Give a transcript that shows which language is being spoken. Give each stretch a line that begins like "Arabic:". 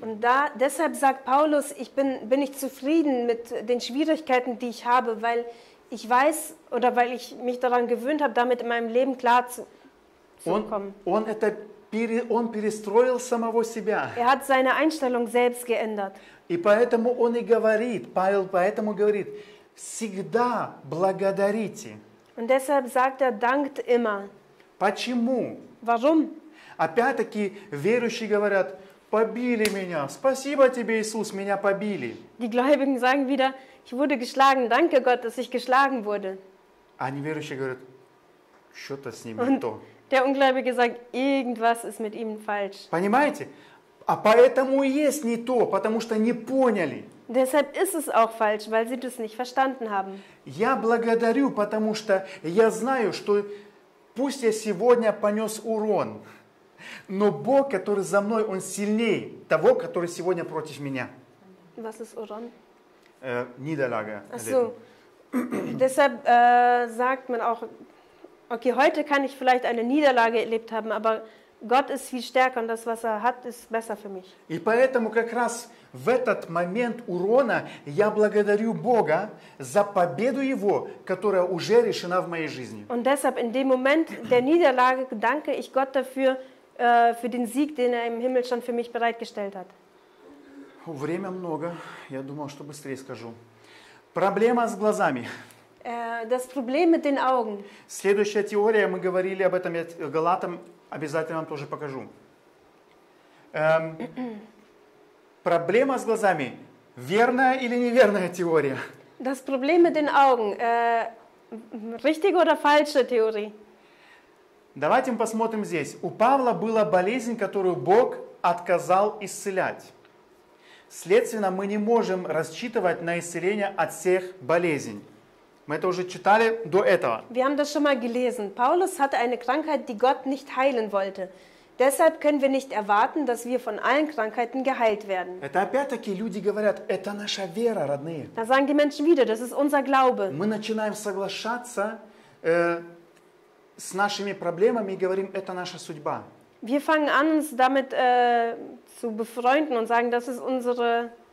German: Und da, deshalb sagt Paulus, ich bin nicht zufrieden mit den Schwierigkeiten, die ich habe, weil ich weiß oder weil ich mich daran gewöhnt habe, damit in meinem Leben klar zu kommen.
Russian: Он перестроил самого себя.
German: Er hat seine Einstellung selbst geändert.
Russian: И поэтому он и говорит, Павел поэтому говорит, всегда благодарите.
German: Und deshalb sagt er, dankt immer.
Russian: Почему?
German: Warum?
Russian: Опять-таки верующие говорят, побили меня, спасибо тебе, Иисус, меня побили.
German: Die Gläubigen sagen wieder, ich wurde geschlagen, danke Gott, dass ich geschlagen wurde.
Russian: А неверующие говорят, что-то с ним не то.
German: Der Ungläubige sagt, irgendwas ist mit ihm falsch.
Russian: Понимаете? А поэтому и есть не то, потому что не поняли.
German: Deshalb ist es auch falsch, weil sie das nicht verstanden haben.
Russian: Я благодарю, потому что я знаю, что пусть я сегодня понес урон, но Бог, который за мной, он сильнее того, который сегодня против меня.
German: Was ist урон? Niederlage. Ach so. Deshalb sagt man auch, okay, heute kann ich vielleicht eine Niederlage erlebt haben, aber Gott ist viel stärker und das, was er hat, ist besser für mich.
Russian: И поэтому как раз в этот момент урона я благодарю Бога за победу Его, которая уже решена в моей жизни.
German: Und deshalb in dem Moment der Niederlage danke ich Gott dafür, für den Sieg, den er im Himmel schon für mich bereitgestellt hat.
Russian: Время много. Я думал, что быстрее скажу. Проблема с глазами.
German: Das Problem mit den Augen.
Russian: Следующая теория, мы говорили об этом, я Галатам обязательно вам тоже покажу. Проблема с глазами. Верная или неверная теория?
German: Das Problem mit den Augen. Richtige oder falsche Theorie?
Russian: Давайте мы посмотрим здесь. У Павла была болезнь, которую Бог отказал исцелять. Следственно, мы не можем рассчитывать на исцеление от всех болезней. Мы это уже читали до этого.
German: Wir haben das schon mal gelesen. Paulus hatte eine Krankheit, die Gott nicht heilen wollte. Deshalb können wir nicht erwarten, dass wir von allen Krankheiten geheilt werden.
Russian: Это опять-таки люди говорят, это наша вера, родные.
German: Da sagen die Menschen wieder, das ist unser Glaube.
Russian: Мы начинаем соглашаться с нашими проблемами и говорим, это наша судьба.
German: Wir fangen an, uns damit zu befreunden und sagen, das ist unsere...